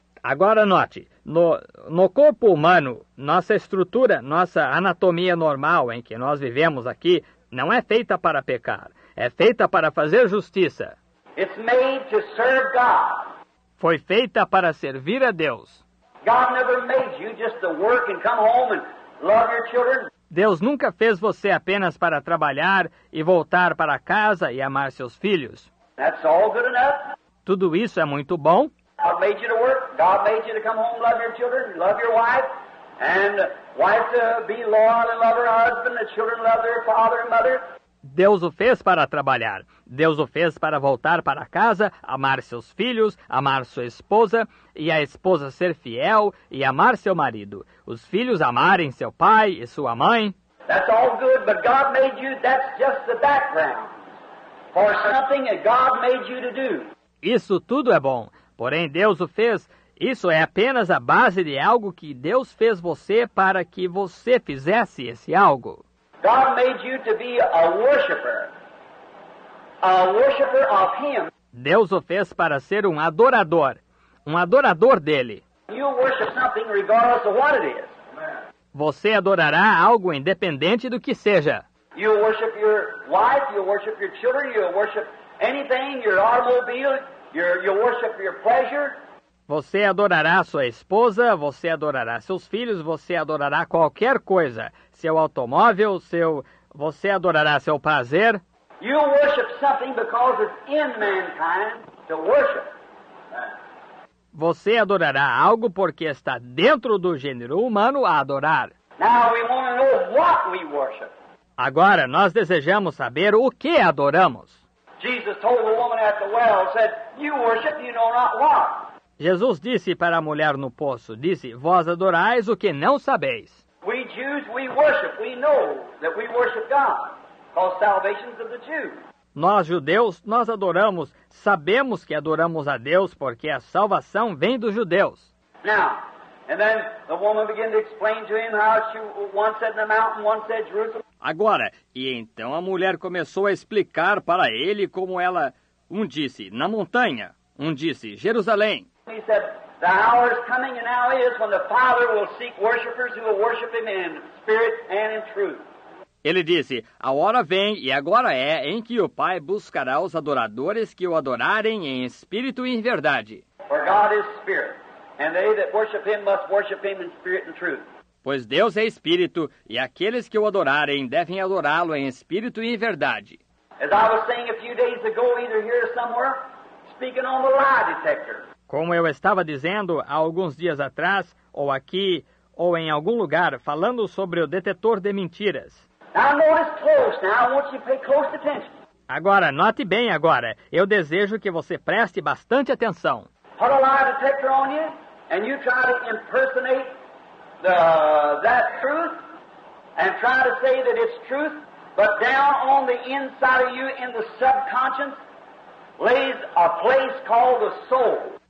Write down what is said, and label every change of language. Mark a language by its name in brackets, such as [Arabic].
[Portuguese] Agora note, no corpo humano, nossa estrutura, nossa anatomia normal em que nós vivemos aqui, não é feita para pecar, é feita para fazer justiça. [English] It's made to serve God. [Portuguese] Foi feita para servir a Deus. [English] God never made you just to work and come home and love your children. [Portuguese] Deus nunca fez você apenas para trabalhar e voltar para casa e amar seus filhos. [English] That's all good enough. [Portuguese] Tudo isso é muito bom. [English] God made you to work. God made you to come home, love your children, love your wife, and wife to be loyal and love her husband. The children love their father and mother. [Portuguese] Deus o fez para trabalhar. Deus o fez para voltar para casa, amar seus filhos, amar sua esposa, e a esposa ser fiel e amar seu marido. Os filhos amarem seu pai e sua mãe. [English] That's all good, but God made you. That's just the background for something that God made you to do. [Portuguese] Isso tudo é bom. Porém, Deus o fez. Isso é apenas a base de algo que Deus fez você para que você fizesse esse algo. [English] God made you to be a worshiper of Him. [Portuguese] Deus o fez para ser um adorador dele. [English] You worship something regardless of what it is. [Portuguese] Você adorará algo independente do que seja. [English] You worship your wife, you worship your children, you worship anything, your automobile. You worship your pleasure. [Portuguese] Você adorará sua esposa, você adorará seus filhos, você adorará qualquer coisa. Seu automóvel, você adorará seu prazer. [English] You worship something because it's in mankind to worship. [Portuguese] Você adorará algo porque está dentro do gênero humano a adorar. [English] Now we want to know what we worship. [Portuguese] Agora nós desejamos saber o que adoramos. [English] Jesus told the woman at the well, said, you worship, you know not what. [Portuguese] Jesus disse para a mulher no poço, disse, vós adorais o que não sabeis. [English] We Jews, we worship. We know that we worship God, because salvation is of the Jews. [Portuguese] Nós judeus, nós adoramos. Sabemos que adoramos a Deus porque a salvação vem dos judeus. [English] Now, and then the woman began to explain to him how she once said the mountain, once said Jerusalem. [Portuguese] Agora, e então a mulher começou a explicar para ele como ela um disse na montanha, um disse Jerusalém. [English] He said, the hour is coming and now is when the Father will seek worshipers who will worship him in spirit and in truth. [Portuguese] Ele disse, a hora vem e agora é em que o Pai buscará os adoradores que o adorarem em espírito e em verdade. [English] For God is spirit. And they that worship him must worship him in spirit and truth. [Portuguese] Pois Deus é espírito, e aqueles que o adorarem devem adorá-lo em espírito e em verdade. [English] As I was saying a few days ago, either here or somewhere, speaking on the lie detector. [Portuguese] Como eu estava dizendo há alguns dias atrás, ou aqui, ou em algum lugar, falando sobre o detector de mentiras. [English] Now notice close. Now I want you to pay close attention. [Portuguese] Agora, note bem agora. Eu desejo que você preste bastante atenção. [English] Put a lie detector on you, and you try to impersonate that truth, and try to say that it's truth, but down on the inside of you, in the subconscious, lays a place called the soul.